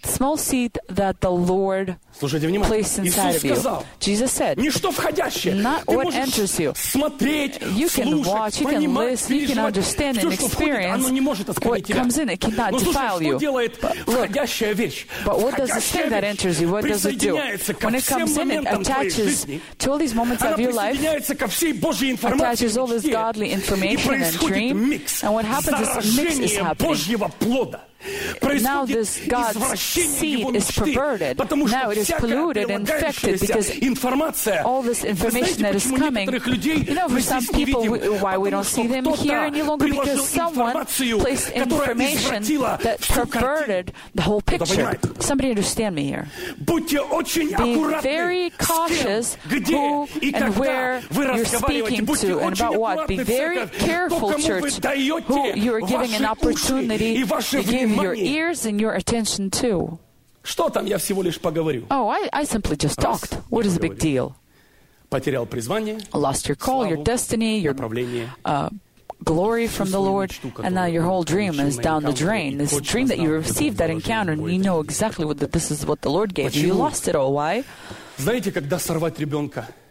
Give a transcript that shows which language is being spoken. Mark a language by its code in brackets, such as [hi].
[ru] Слушайте внимательно. Иисус сказал, ничто входящее, ты можешь смотреть, слушать, понимать, переживать. Все, что входит, оно не может оскорбить тебя. Но слушай, что делает входящая вещь? Входящая вещь присоединяется ко всем моментам твоей жизни, [en] to all these moments of your life, attaches all this godly information and dream, and what happens is mix is happening. Now this God's seed is perverted. Now it is polluted and infected because all this information that is coming. You know, for some people, why we don't see them here any longer? Because someone placed information that perverted the whole picture. Somebody understand me here. Be very cautious who and where you're speaking to and about what. Be very careful, church, who you are giving an opportunity to give your ears and your attention too. [ru] Что там, я всего лишь поговорю. [en] Oh, I simply just talked. What is the big deal? [ru] Потерял призвание, [en] lost your call, [ru] славу, [en] your destiny, your glory from the Lord, and now your whole dream is down the drain. This dream that you received, that encounter, and you know exactly what this is what the Lord gave you. You lost it all. Why? [ru] Знаете, когда сорвать ребенка?